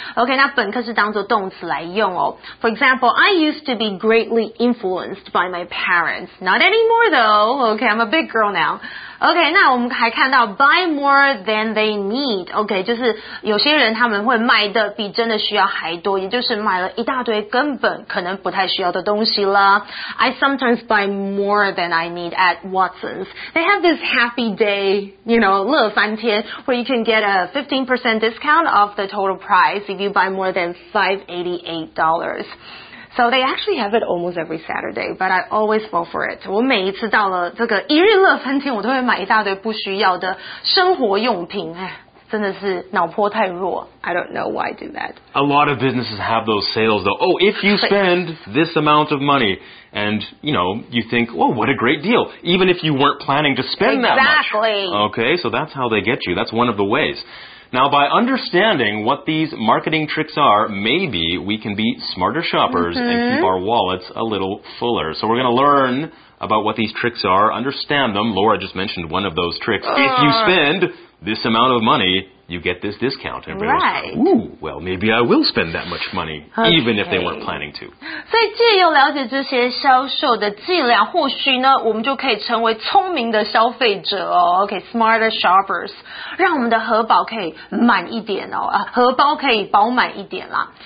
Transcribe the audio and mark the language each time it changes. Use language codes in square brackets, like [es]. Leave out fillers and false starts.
[en] Okay, [zh] 那本课是当作动词来用哦。 [en] For example, I used to be greatly influenced by my parents. Not anymore though. Okay, I'm a big girl now. Okay, [zh] 那我们还看到 [en] buy more than they need. [zh] Okay, 就是有些人他们会买的比真的需要还多，也就是买了一大堆根本可能不太需要的东西啦。 [en] I sometimes buy more than I need at Watson's. They have this happy day, you know, 乐翻天, where you can get a 15% discount off the total price if you buy more than $588. So they actually have it almost every Saturday, but I always fall for it. [zh] 我每一次到了这个一日乐翻天，我都会买一大堆不需要的生活用品。哎，真的是脑波太弱。 [en] I don't know why I do that. A lot of businesses have those sales though. Oh, if you spend this amount of money and, you know, you think, oh, what a great deal. Even if you weren't planning to spend that much. Exactly. Okay, so that's how they get you. That's one of the ways. Now, by understanding what these marketing tricks are, maybe we can be smarter shoppers and keep our wallets a little fuller. So we're going to learn about what these tricks are, understand them. Laura just mentioned one of those tricks. If you spend this amount of money, you get this discount. Right. Ooh, well, maybe I will spend that much money, even if they weren't planning to. [zh] 所以借由了解这些销售的伎俩，或许呢，我们就可以成为聪明的消费者哦。 [en] Okay, smarter shoppers. [zh] 让我们的荷包可以满一点哦，荷包可以饱满一点啦。